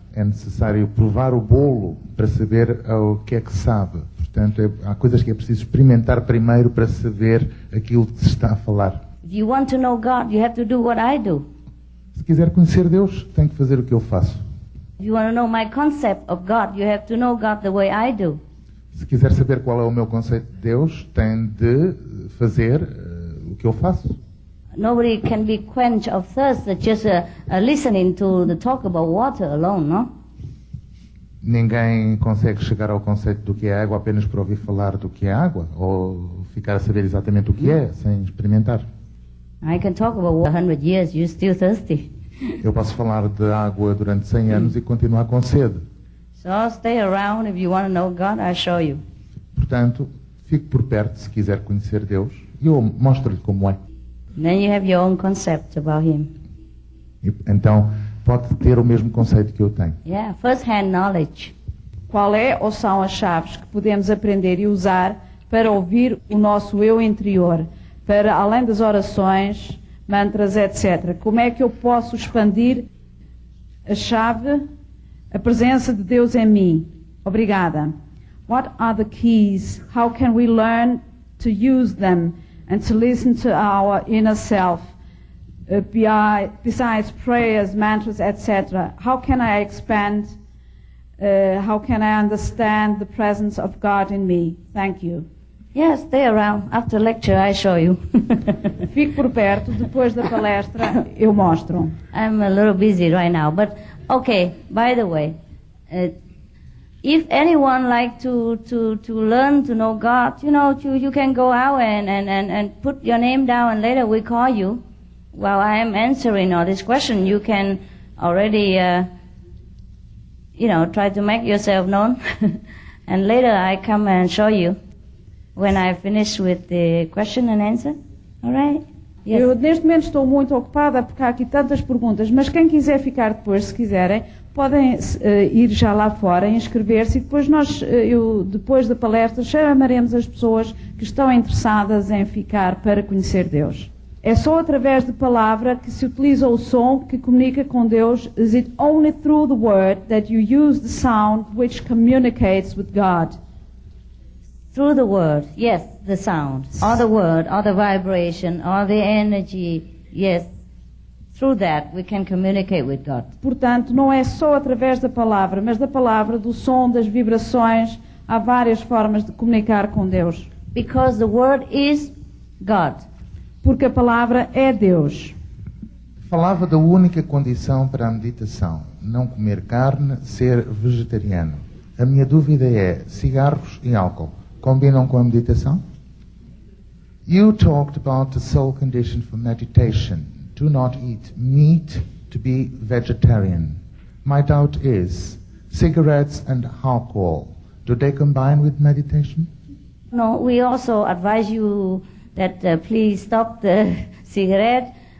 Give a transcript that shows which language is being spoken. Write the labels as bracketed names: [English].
[Portuguese] É necessário provar o bolo para saber o que é que sabe. Portanto, há coisas que é preciso experimentar primeiro para saber aquilo que se está a falar. [English] If you want to know God, you have to do what I do. [Portuguese] Se quiser conhecer Deus, tem que fazer o que eu faço. [English] If you want to know my concept of God, you have to know God the way I do. [Portuguese] Se quiser saber qual é o meu conceito de Deus, tem de fazer o que eu faço. [English] Nobody can be quenched of thirst just listening to the talk about water alone, no? [Portuguese] Ninguém consegue chegar ao conceito do que é água apenas por ouvir falar do que é água ou ficar a saber exatamente o que é sem experimentar. [English] I can talk about water 100 years, you're still thirsty. [Portuguese] Eu posso falar de água durante 100 anos e continuar com sede. [English] So stay around if you want to know God, I'll show you. [Portuguese] Portanto, Fique por perto se quiser conhecer Deus e eu mostro-lhe como é. [English] Then you have your own concept about him. [Portuguese] Então pode ter o mesmo conceito que eu tenho. [English] Yeah, first hand knowledge. [Portuguese] Qual é ou são as chaves que podemos aprender e usar para ouvir o nosso eu interior, para além das orações, mantras, etc. Como é que eu posso expandir a chave, a presença de Deus em mim? Obrigada. [English] What are the keys? How can we learn to use them and to listen to our inner self? Besides prayers, mantras, etc. How can I expand? How can I understand the presence of God in me? Thank you. Yes, stay around. After lecture, I show you. [Portuguese] Fique por perto. Depois da palestra, eu mostro. [English] I'm a little busy right now, but okay. By the way, if anyone like to learn to know God, you know, you can go out and put your name down, and later we call you. While I am answering all this question, you can already, you know, try to make yourself known. And later I come and show you when I finish with the question and answer. All right? Yes. [Portuguese] Eu neste momento estou muito ocupada porque há aqui tantas perguntas, mas quem quiser ficar depois, se quiserem, podem ir já lá fora, inscrever-se e depois nós, eu, depois da palestra, chamaremos as pessoas que estão interessadas em ficar para conhecer Deus. É só através de palavra que se utiliza o som que comunica com Deus. [English] Is it only through the word that you use the sound which communicates with God? Through the word, yes, the sound. Or the word, or the vibration, or the energy, yes. Through that we can communicate with God. [Portuguese] Portanto, não é só através da palavra, mas da palavra, do som, das vibrações. Há várias formas de comunicar com Deus. [English] Because the word is God. [Portuguese] Porque a palavra é Deus. Falava da única condição para a meditação, não comer carne, ser vegetariano. A minha dúvida é, cigarros e álcool combinam com a meditação? [English] You talked about the sole condition for meditation. Do not eat meat to be vegetarian. My doubt is, cigarettes and alcohol, do they combine with meditation? No, we also advise you that please stop the cigarette.